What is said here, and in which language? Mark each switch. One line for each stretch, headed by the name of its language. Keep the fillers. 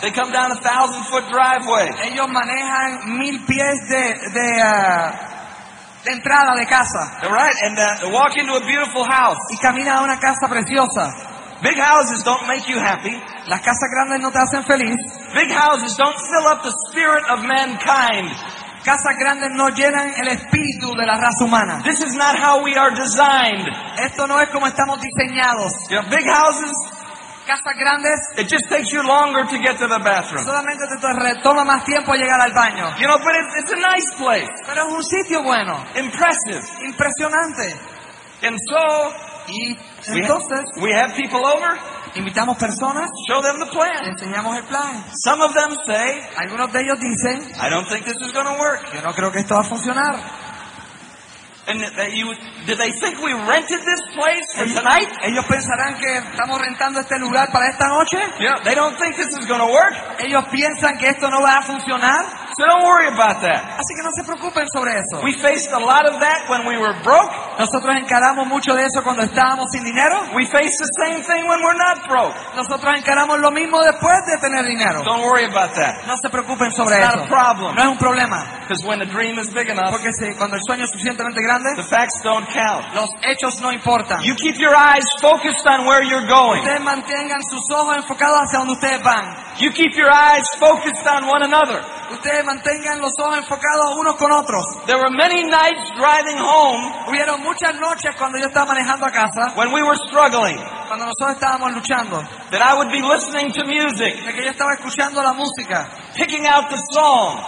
English: They come down a thousand foot driveway.
Spanish: Ellos manejan mil pies de, de, entrada de casa.
English: All right, and uh, they walk into a beautiful house.
Spanish: Y camina a una casa preciosa.
English: Big houses don't make you happy.
Spanish: Las casas grandes no te hacen feliz.
English: Big houses don't fill up the spirit of mankind.
Spanish: casas grandes no llenan el espíritu de la raza humana.
English: This is not how we are designed.
Spanish: Esto no es como estamos diseñados.
English: You know, big houses.
Spanish: Casas grandes.
English: It just takes you longer to get to the bathroom.
Spanish: Solamente te toma más tiempo llegar al baño.
English: You know, but it's, it's a nice place.
Spanish: Pero es un sitio bueno.
English: Impressive.
Spanish: Impresionante.
English: And so,
Spanish: y entonces,
English: we have, we have people over.
Spanish: Invitamos personas.
English: Show them the plan.
Spanish: Les enseñamos el plan.
English: Some of them say,
Spanish: Algunos de ellos dicen,
English: I don't think this is going to work.
Spanish: Yo no creo que esto va a funcionar.
English: And uh, you, did they think we rented this place for tonight?
Spanish: Ellos pensarán que estamos rentando este lugar para esta noche.
English: Yeah, they don't think this is going to work.
Spanish: Ellos piensan que esto no va a funcionar.
English: So don't worry about that.
Spanish: Así que no se preocupen sobre eso.
English: We faced a lot of that when we were broke.
Spanish: Nosotros encaramos mucho de eso cuando estábamos sin dinero.
English: We face the same thing when we're not broke.
Spanish: Nosotros encaramos lo mismo después de tener dinero.
English: Don't worry about that.
Spanish: No se preocupen sobre
English: It's
Spanish: eso.
English: Not a problem.
Spanish: No es un problema.
English: When the dream is big enough,
Spanish: Porque si, cuando el sueño es suficientemente grande,
English: the facts don't count.
Spanish: los hechos no importan.
English: You keep your eyes focused on where you're going.
Spanish: Ustedes mantengan sus ojos enfocados hacia donde ustedes van.
English: You keep your eyes focused on one another.
Spanish: Ustedes mantengan los ojos enfocados unos con otros.
English: There were many nights driving home.
Spanish: Hubieron muchas noches cuando yo estaba manejando a casa. Cuando nosotros estábamos luchando.
English: listening
Spanish: que yo estaba escuchando la música.
English: Picking out the song.